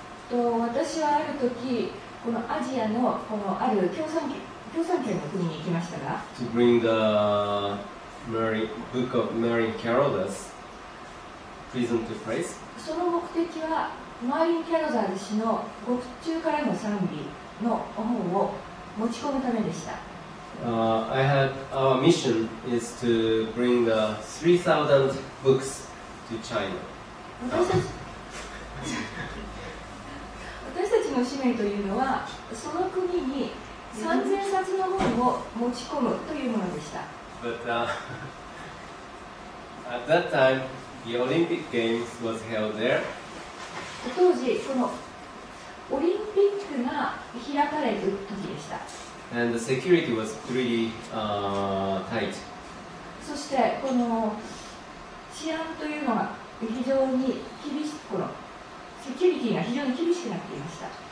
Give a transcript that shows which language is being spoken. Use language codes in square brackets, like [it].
[ja] 私はある時、このアジアのこのある共産圏の国に行きましたが、 [en] to bring the Mary, book of Mary Carolus, prison to praise. [ja] その目的は、マーリン・キャロザーズ氏の獄中からの賛美の本を持ち込むためでした。 [en] I had our mission is to bring the 3,000 books to China. [ja] 私たちの使命というのは、その国に3,000冊の本を持ち込むというものでした。 [en] But at that time, the Olympic Games was held there. [ja] 当時、このオリンピックが開かれる時でした。 [en] And the security was pretty, tight. [ja] そして、この治安というのが非常に厳しく、このセキュリティが非常に厳しくなっていました。